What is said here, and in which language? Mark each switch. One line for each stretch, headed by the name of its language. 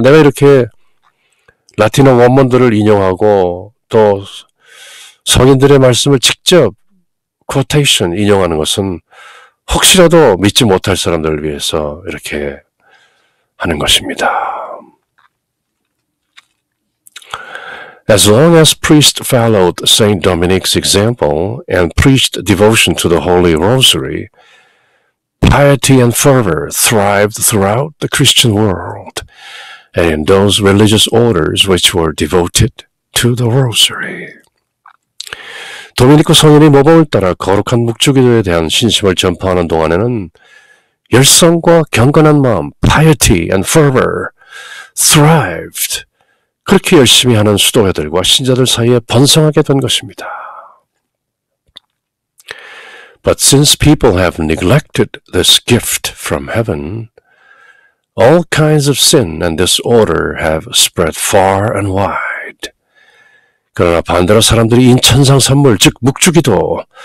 Korean: 내가 이렇게 라틴어 원문들을 인용하고 또 성인들의 말씀을 직접 quotation 인용하는 것은 혹시라도 믿지 못할 사람들을 위해서 이렇게 하는 것입니다.
English: As long as priests followed Saint Dominic's example and preached devotion to the Holy Rosary, piety and fervor thrived throughout the Christian world and in those religious orders which were devoted to the Rosary.
Korean: 도미니크 성인이 모범을 따라 거룩한 묵주기도에 대한 신심을 전파하는 동안에는 열성과 경건한 마음,
English: piety and fervor thrived
Korean: 그렇게 열심히 하는 수도회들과 신자들 사이에 번성하게 된 것입니다.
English: But since people have neglected this gift from heaven, all kinds of sin and disorder have spread far and wide.
Korean: 그러나 반대로 사람들이 인천상 선물, 즉 묵주기도,